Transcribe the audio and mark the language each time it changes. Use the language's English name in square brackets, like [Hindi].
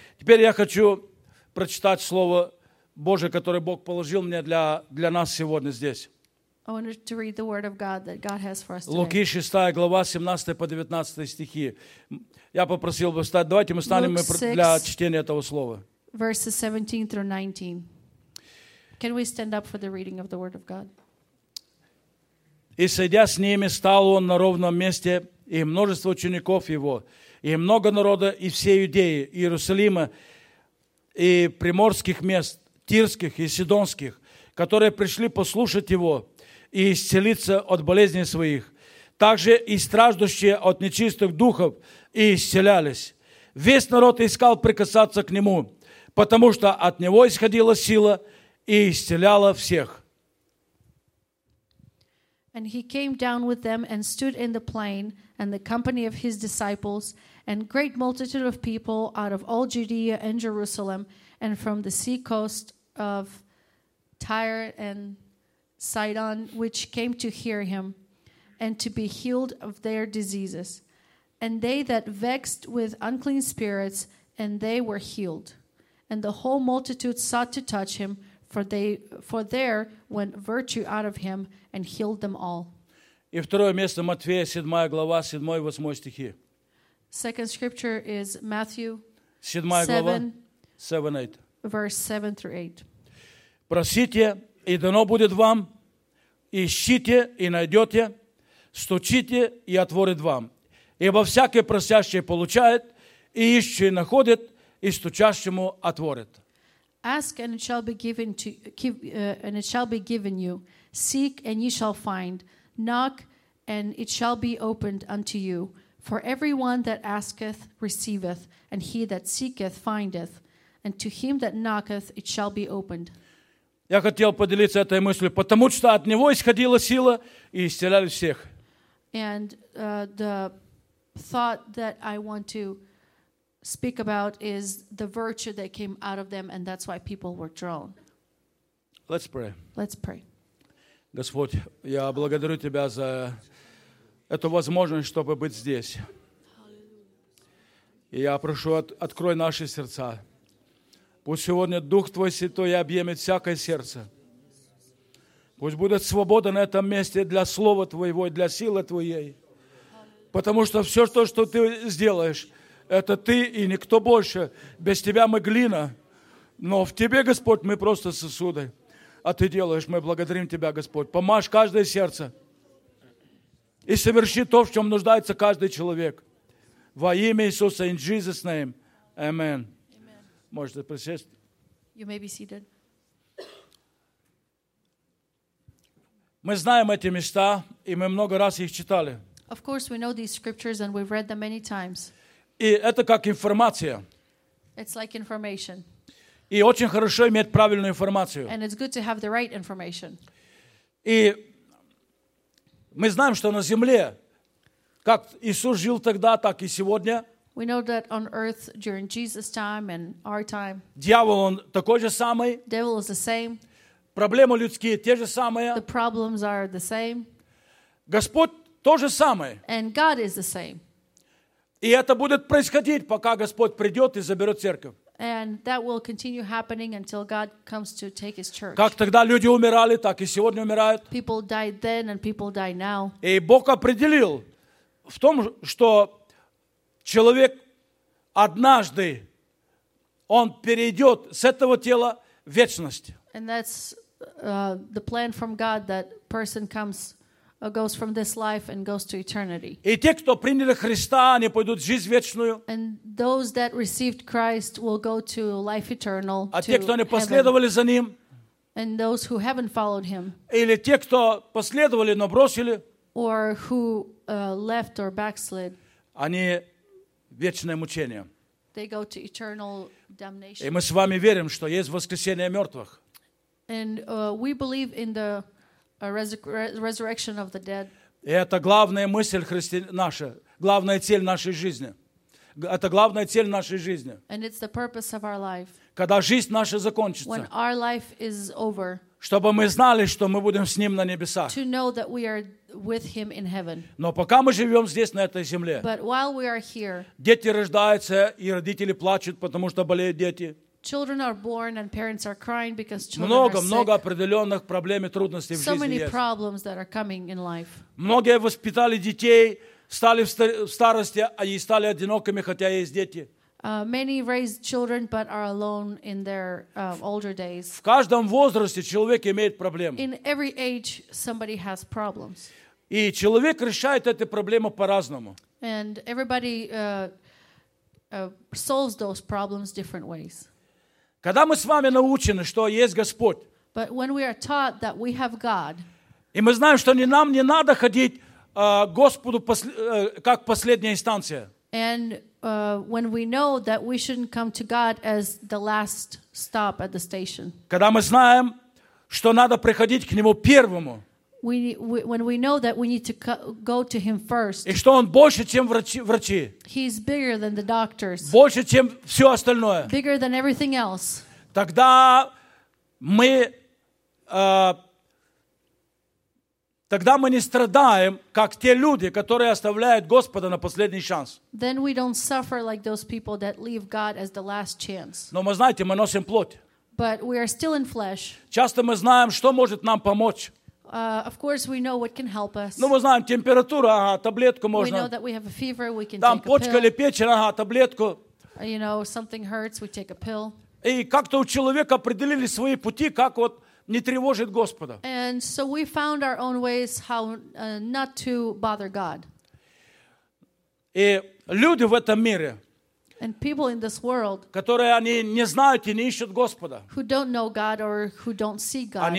[Russian] Теперь я хочу прочитать Слово Божие, которое Бог положил мне для нас сегодня здесь. Луки 6, глава 17 по 19 стихи. Я попросил бы встать. Давайте мы станем для чтения этого Слова. [English] Verses 17 through 19. Can we stand up for the reading of the Word of God? [Russian] «И сойдя с ними, стал Он на ровном месте, и множество учеников Его». И много народа и всей Иудеи, Иерусалима, и приморских мест, тирских и сидонских, которые пришли послушать Его и исцелиться от болезней своих. Также и страждущие от нечистых духов и исцелялись. Весь народ искал прикасаться к Нему, потому что от Него исходила сила и исцеляла всех. [English] And He came down with them and stood in the plain, and the company of His disciples, and great multitude of people out of all Judea and Jerusalem, and from the sea coast of Tyre and Sidon, which came to hear Him, and to be healed of their diseases. And they that vexed with unclean spirits, and they were healed. And the whole multitude sought to touch Him, for there went virtue out of Him, and healed them all. [Russian] И второе место Матфея, 7 глава, 7 и 8 стихи. [English] Second scripture is Matthew [Russian] 7, глава, 7 8. [English] Verse 7 through 8. [Russian] Просите, и дано будет вам, ищите, и найдете, стучите, и отворит вам. Ибо всякий просящий получает, и ищущий находит, и стучащему отворит. [English] Ask, and it shall be given you. Seek, and ye shall find. Knock, and it shall be opened unto you. For everyone that asketh, receiveth, and he that seeketh, findeth. And to him that knocketh, it shall be opened. [Russian] Я хотел поделиться этой мыслью, потому что от него исходила сила, и исцеляли всех. [English] And the thought that I want to speak about is the virtue that came out of them, and that's why people were drawn. Let's pray. Let's pray. [Russian] Господь, я благодарю Тебя за эту возможность, чтобы быть здесь. И я прошу, открой наши сердца. Пусть сегодня Дух Твой Святой объемет всякое сердце. Пусть будет свобода на этом месте для Слова Твоего и для силы Твоей. Потому что все то, что Ты сделаешь, это Ты и никто больше. Без Тебя мы глина. Но в Тебе, Господь, мы просто сосуды. А Ты делаешь, мы благодарим Тебя, Господь. Помажь каждое сердце. И соверши то, в чем нуждается каждый человек. Во имя Иисуса, [English] in Jesus name. [Russian] Amen. Amen. Можете присесть. [English] You may be seated. [Russian] Мы знаем эти места, и мы много раз их читали. [English] Of course, we know these scriptures, and we've read them many times. [Russian] И это как информация. [English] It's like information. [Russian] И очень хорошо иметь правильную информацию. [English] And it's good to have the right information. [Russian] И мы знаем, что на земле, как Иисус жил тогда, так и сегодня. [English] We know that on earth, during Jesus' time and our time. [Russian] Дьявол, он такой же самый. [English] Devil is the same. [Russian] Проблемы людские те же самые. [English] The problems are the same. [Russian] Господь то же самое. [English] And God is the same. [Russian] И это будет происходить, пока Господь придет и заберет церковь. [English] And that will continue happening until God comes to take His church. [Russian] Как тогда люди умирали, так и сегодня умирают. [English] People died then and people die now. [Russian] И Бог определил в том, что человек однажды он перейдет с этого тела в вечность. [English] And that's the plan from God that person comes. Goes from this life and goes to eternity. [Russian] И те, кто приняли Христа, они пойдут в жизнь вечную. [English] And those that received Christ will go to life eternal. [Russian] А те, кто не последовали за ним. [English] And those who haven't followed him. [Russian] Или те, кто последовали, но бросили. [English] Or who left or backslid. [Russian] Они вечное мучение. [English] They go to eternal damnation. [Russian] И мы с вами верим, что есть воскресение мертвых. [English] And we believe in the resurrection of the dead. [Russian] И это главная мысль наша, главная цель нашей жизни. Это главная цель нашей жизни. [English] And it's the purpose of our life. [Russian] Когда жизнь наша закончится. [English] When our life is over. [Russian] Чтобы мы знали, что мы будем с ним на небесах. [English] To know that we are with him in heaven. [Russian] Но пока мы живем здесь, на этой земле. [English] But while we are here. [Russian] Дети рождаются, и родители плачут, потому что болеют дети. [English] Children are born and parents are crying because children [Russian] много, [English] are sick. [Russian] Много определенных проблем и трудностей [English] so [Russian] в жизни [English] many [Russian] есть. [English] Problems that are coming in life. [Russian] Многие воспитали детей, стали в старости, а и стали одинокими, хотя есть дети. [English] Many raised children but are alone in their older days. [Russian] В каждом возрасте человек имеет проблемы. [English] In every age somebody has problems. [Russian] И человек решает эти проблемы по-разному. [English] And everybody solves those problems different ways. [Russian] Когда мы с вами научены, что есть Господь, [English] but when we are taught that we have God, [Russian] и мы знаем, что не нам не надо ходить Господу как последняя инстанция, [English] and when we know that we shouldn't come to God as the last stop at the station, [Russian] когда мы знаем, что надо приходить к Нему первому, [English] when we know that we need to go to Him first, [Russian] и что Он больше, чем врачи, [English] He's bigger than the doctors, [Russian] больше, чем все остальное, [English] bigger than everything else, [Russian] тогда мы не страдаем, как те люди, которые оставляют Господа на последний шанс. [English] Then we don't suffer like those people that leave God as the last chance. [Russian] Но мы, знаете, мы носим плоть. [English] But we are still in flesh. [Russian] Часто мы знаем, что может нам помочь. [English] Of course, we know what can help us. [Russian] Ну, мы знаем, температура, ага, таблетку можно. [English] We know that we have a fever, we can [Russian] там, [English] take a pill. [Russian] Там почка или печень, ага, таблетку. [English] You know, something hurts, we take a pill. [Russian] И как-то у человека определили свои пути, как вот не тревожить Господа. [English] And so we found our own ways how not to bother God. [Russian] И люди в этом мире, [English] and people in this world, [Russian] которые они не знают и не ищут Господа, [English] who don't know God or who don't see God,